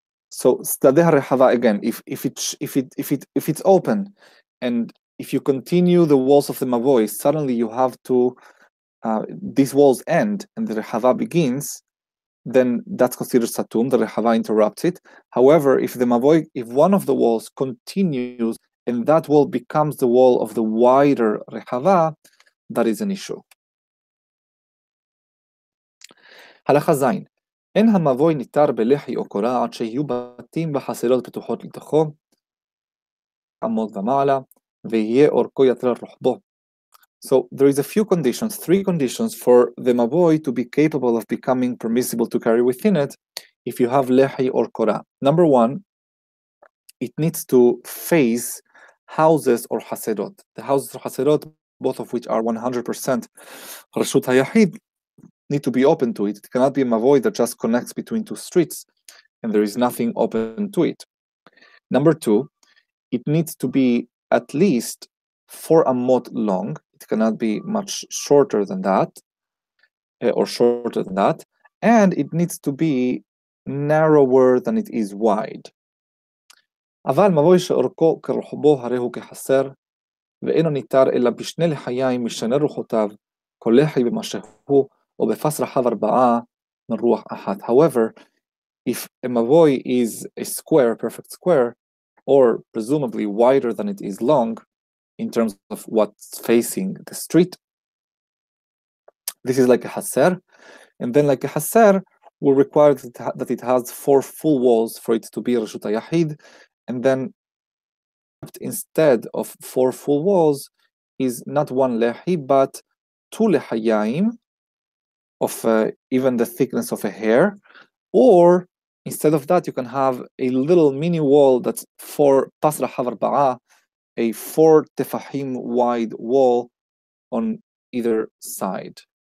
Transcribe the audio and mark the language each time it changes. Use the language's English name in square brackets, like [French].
[English] So Stadeh HaRehava, again, if it's open, and if you continue the walls of the Mavoy, suddenly you have to, these walls end and the Rehava begins, then that's considered Satum, the Rehava interrupts it. However, if the Mavoy, if one of the walls continues and that wall becomes the wall of the wider Rehava, that is an issue. [Hebrew] Halacha Zayin. אין המבוי ניתר בלחי או קורה עד שיהיו בתים וחסרות פתוחות לתוכו, עמוד ומעלה, ויהיה אורכו יתר רוחבו. [English] So there is a few conditions, three conditions for the mavoy to be capable of becoming permissible to carry within it if you have lehi or kora. Number one, it needs to face houses or haserot. The houses or haserot, both of which are 100% Rashut Hayahid, need to be open to it. It cannot be a mavoy that just connects between two streets and there is nothing open to it. Number two, it needs to be at least 4 amot long. It cannot be much shorter than that, or shorter than that. And it needs to be narrower than it is wide. [Hebrew] אבל מבוי שאורכו כרוחבו הרי הוא כחסר, ואינו ניתר אלא בשני לחיים משנה רוחותיו, כל לחי במה שהוא, או בפס רחב ארבעה מרוח אחת. [English] However, if a mavoi is a square, a perfect square, or presumably wider than it is long, in terms of what's facing the street, this is like a haser. And then like a haser, will require that it has four full walls for it to be Rashut HaYahid, and then instead of four full walls is not one lehi, but two lehayim of even the thickness of a hair, or instead of that, you can have a little mini wall that's four pasra havarba'a, a four tefahim wide wall on either side.